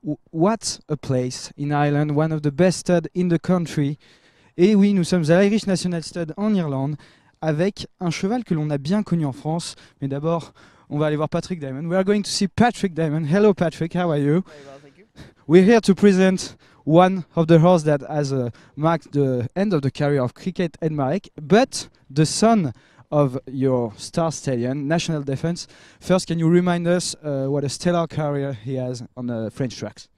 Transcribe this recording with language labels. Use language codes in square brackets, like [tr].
[en] What a place in Ireland, one of the best studs in the country. [fr] Et oui, nous sommes à l'Irish National Stud en Irlande avec un cheval que l'on a bien connu en France. Mais d'abord, on va aller voir Patrick Diamond. [en] We are going to see Patrick Diamond. Hello, Patrick. How are you? Very well, thank you. We're here to present one of the horses that has marked the end of the career of Criquette Head Marek, but the son of your star stallion, National Defense. First, can you remind us what a stellar career he has on the French tracks?